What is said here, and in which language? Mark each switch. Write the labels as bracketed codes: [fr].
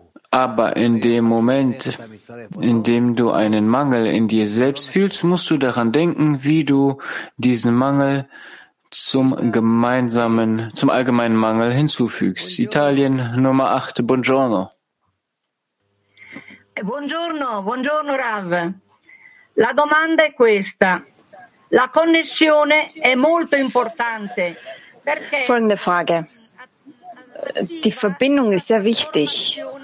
[de] Aber in dem Moment, in dem du einen Mangel in dir selbst fühlst, musst du daran denken, wie du diesen Mangel zum allgemeinen Mangel hinzufügst. Italien Nummer 8, [it] buongiorno. Buongiorno, buongiorno Rav. La domanda è questa. La connessione è molto importante. [de] Folgende Frage. Die Verbindung ist sehr wichtig.